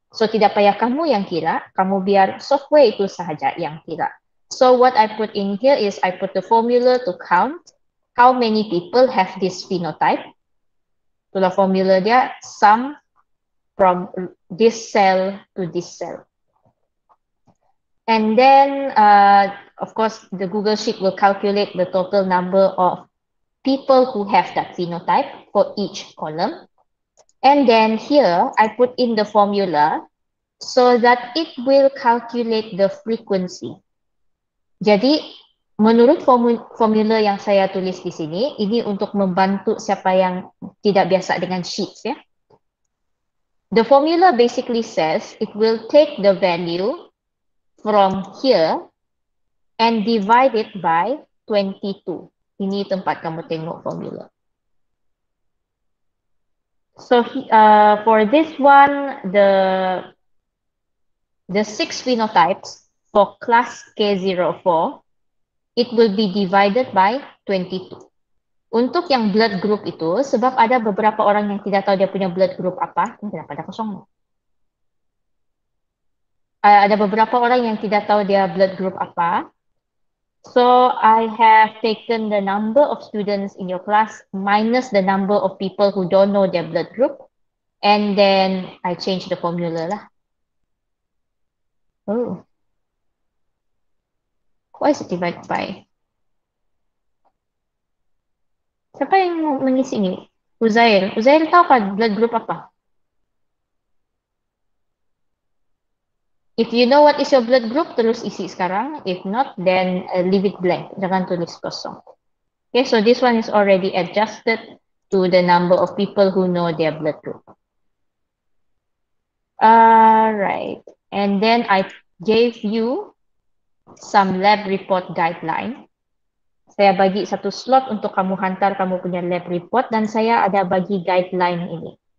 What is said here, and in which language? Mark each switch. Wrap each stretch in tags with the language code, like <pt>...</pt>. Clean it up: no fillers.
<ms>So tidak payah kamu yang kira, kamu biar software itu sahaja yang kira.</ms> <en>So what I put in here is I put the formula to count how many people have this phenotype.</en> <ms>Itulah formula dia,</ms> <en>sum from this cell to this cell. And then, of course, the Google Sheet will calculate the total number of people who have that phenotype for each column. And then here, I put in the formula so that it will calculate the frequency.</en> <ms>Jadi, menurut formula yang saya tulis di sini, ini untuk membantu siapa yang tidak biasa dengan sheets, ya.</ms> <en>The formula basically says it will take the value from here and divide it by 22.</en> <ms>Ini tempat kamu tengok formula.</ms> <en>So for this one, the six phenotypes for class K04, it will be divided by 22.</en> <ms>Untuk yang blood group itu, sebab ada beberapa orang yang tidak tahu dia punya blood group apa, kenapa ada kosong? Ada beberapa orang yang tidak tahu dia blood group apa.</ms> <en>So I have taken the number of students in your class minus the number of people who don't know their blood group, and then I change the formula lah. Oh, why is it divided by?</en> <ms>Siapa yang mengisi ini? Uzair. Uzair tahu kan blood group apa?</ms> <en>If you know what is your blood group,</en> <ms>terus isi sekarang.</ms> <en>If not, then leave it blank.</en> <ms>Jangan tulis kosong.</ms> <en>Okay, so this one is already adjusted to the number of people who know their blood group. Alright. And then I gave you some lab report guideline.</en> <ms>Saya bagi satu slot untuk kamu hantar kamu punya lab report dan saya ada bagi guideline ini.</ms>